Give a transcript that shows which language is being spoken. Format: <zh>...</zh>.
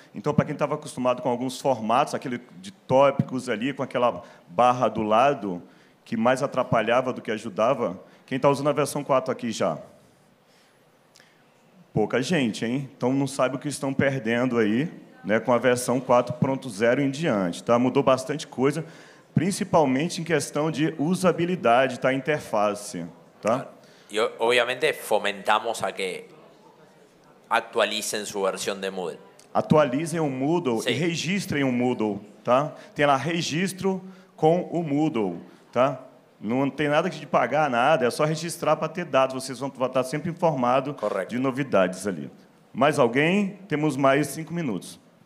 <pt>Então, para quem estava acostumado com alguns formatos, aquele de tópicos ali, com aquela barra do lado, que mais atrapalhava do que ajudava, quem está usando a versão 4 aqui já? Pouca gente, hein? Então, não sabe o que estão perdendo aí, né, com a versão 4.0 em diante. Tá? Mudou bastante coisa, principalmente em questão de usabilidade, tá? Interface. Tá?</pt> <es>Y obviamente fomentamos a que actualicen su versión de Moodle.</es> <pt>Atualizem o Moodle, sí, e registrem o Moodle, tá? Tem lá registro com o Moodle, tá? Não tem nada de pagar, nada, é só registrar para ter dados, vocês vão estar sempre informados.</pt> <es>Correcto.</es> <pt>De novidades ali. Mais alguém? Temos mais 5 minutos.</pt>